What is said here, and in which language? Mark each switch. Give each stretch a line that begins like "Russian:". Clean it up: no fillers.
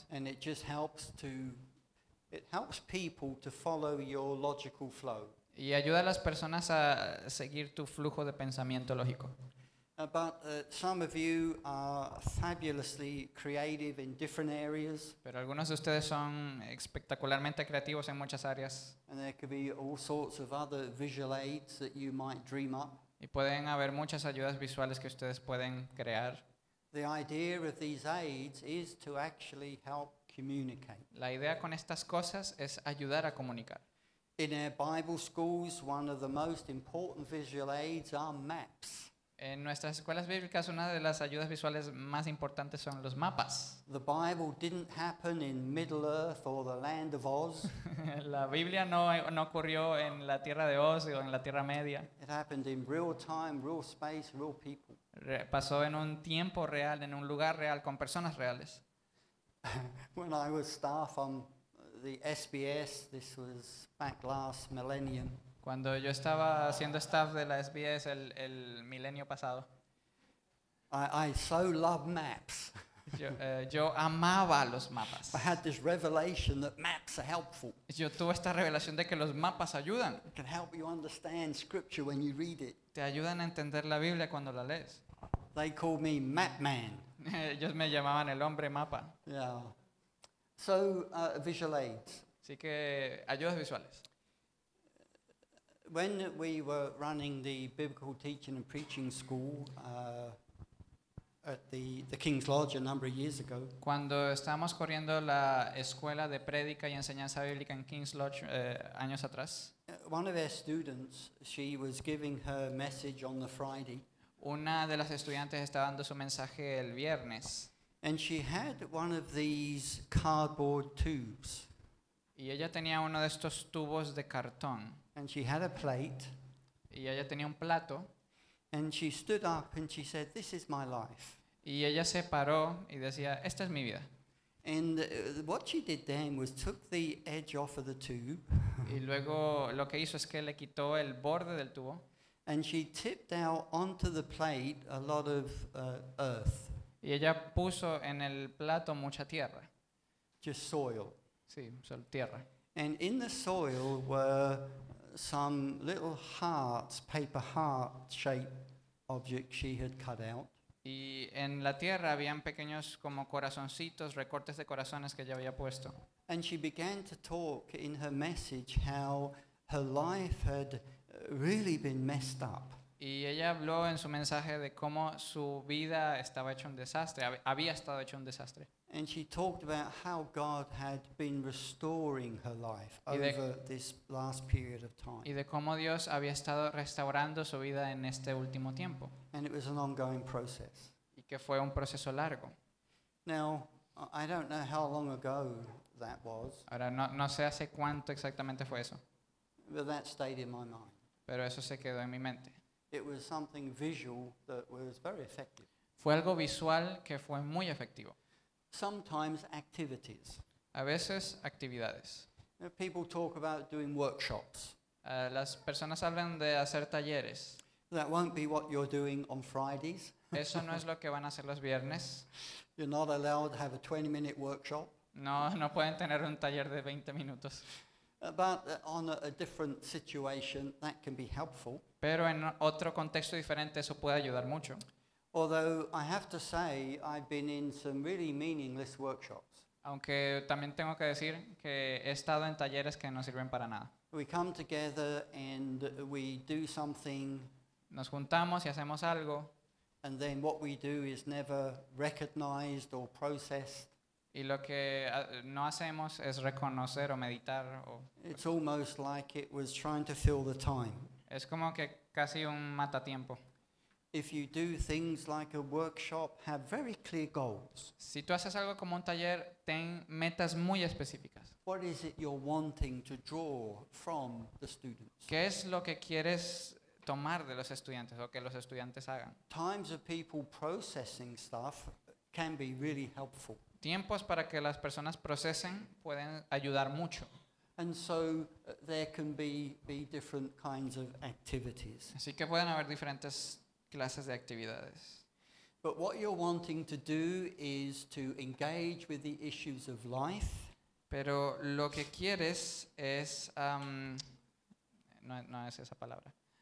English: And it just helps to it helps people to follow your logical flow.
Spanish: Y ayuda a las personas a seguir tu flujo de pensamiento lógico.
English: Some of you are fabulously creative in different areas.
Spanish: Pero algunos de ustedes son espectacularmente creativos en muchas áreas.
English: And there could be all sorts of other visual aids that you might dream up.
Spanish: Y pueden haber muchas ayudas visuales que ustedes pueden crear.
English: The idea of these aids is to actually help communicate.
Spanish: La idea con estas cosas es ayudar a comunicar.
English: In our Bible schools, one of the most important visual aids are maps.
Spanish: En nuestras escuelas bíblicas, una de las ayudas visuales más importantes son los mapas.
English: The Bible didn't happen in Middle Earth or the land of Oz.
Spanish: La Biblia no ocurrió en la Tierra de Oz o en la Tierra Media.
English: It happened in real time, real space, real people.
Spanish: Pasó en un tiempo real, en un lugar real, con personas reales.
English: When I was staff on the SBS, this was back last millennium.
Spanish: Cuando yo estaba haciendo staff de la SBS el milenio pasado.
English: I so love maps.
Spanish: Yo amaba los mapas.
English: I had this revelation that maps are helpful.
Spanish: Yo tuve esta revelación de que los mapas ayudan.
English: It can help you understand scripture when you read it.
Spanish: Te ayudan a entender la Biblia cuando la lees.
English: They called me Map Man.
Spanish: Ellos me llamaban el hombre mapa.
English: Yeah. So visual aids.
Spanish: Así que ayudas visuales.
English: When we were running the biblical teaching and preaching school at the King's Lodge a number of years ago.
Spanish: Cuando estábamos corriendo la escuela de prédica y enseñanza bíblica en King's Lodge años atrás.
English: One of our students, she was giving her message on the Friday.
Spanish: Una de las estudiantes estaba dando su mensaje el viernes.
English: And she had one of these cardboard tubes.
Spanish: Y ella tenía uno de estos tubos de cartón.
English: And she had a plate.
Spanish: Y ella tenía un plato.
English: And she stood up and she said, "This is my life."
Spanish: Y ella se paró y decía, "Esta es mi vida."
English: And what she did then was took the edge off of the tube.
Spanish: Y luego lo que hizo es que le quitó el borde del tubo.
English: And she tipped out onto the plate a lot of earth.
Spanish: Y ella puso en el plato mucha tierra.
English: Just soil.
Spanish: Sí, solo tierra.
English: And in the soil were some little hearts, paper heart-shaped objects she had cut out.
Spanish: Y en la tierra habían pequeños como corazoncitos, recortes de corazones que ella había puesto.
English: And she began to talk in her message how her life had really been messed up.
Spanish: Y ella habló en su mensaje de cómo su vida estaba hecho un desastre, había estado hecho un desastre.
English: And she talked about how God had been restoring her life over this last period of time.
Spanish: Y de cómo Dios había estado restaurando su vida en este último tiempo.
English: And it was an ongoing process.
Spanish: Y que fue un proceso largo.
English: Now, I don't know how long ago that was.
Spanish: Ahora no sé hace cuánto exactamente fue eso.
English: But that stayed in my mind.
Spanish: Pero eso se quedó en mi mente.
English: It was something visual that was very effective.
Spanish: Fue algo visual que fue muy efectivo.
English: Sometimes activities.
Spanish: A veces actividades.
English: People talk about doing workshops.
Spanish: Las personas hablan de hacer talleres.
English: That won't be what you're doing on Fridays.
Spanish: Eso no es lo que van a hacer los viernes.
English: You're not allowed to have a 20-minute workshop.
Spanish: No pueden tener un taller de 20 minutos.
English: But on a different situation, that can be helpful.
Spanish: Pero en otro contexto diferente, eso puede ayudar mucho.
English: Although I have to say I've been in some really meaningless workshops.
Spanish: Aunque también tengo que decir que he estado en talleres que no sirven para nada.
English: We come together and we do something.
Spanish: Nos juntamos y hacemos algo.
English: And then what we do is never recognized or processed.
Spanish: Y lo que no hacemos es reconocer o meditar o.
English: It's almost like it was trying to fill the time.
Spanish: Es como que casi un matatiempo.
English: If you do things like a workshop, have very clear goals.
Spanish: Si tú haces algo como un taller, ten metas muy específicas.
English: What is it you're wanting to draw from the students?
Spanish: ¿Qué es lo que quieres tomar de los estudiantes o que los estudiantes hagan?
English: Times of people processing stuff can be really helpful.
Spanish: Tiempos para que las personas procesen pueden ayudar mucho.
English: And so there can be different kinds of activities.
Spanish: Así que pueden haber diferentes clases de actividades.
English: But what you're wanting to do is to engage with the issues of life.
Spanish: Pero lo que quieres es no es esa palabra.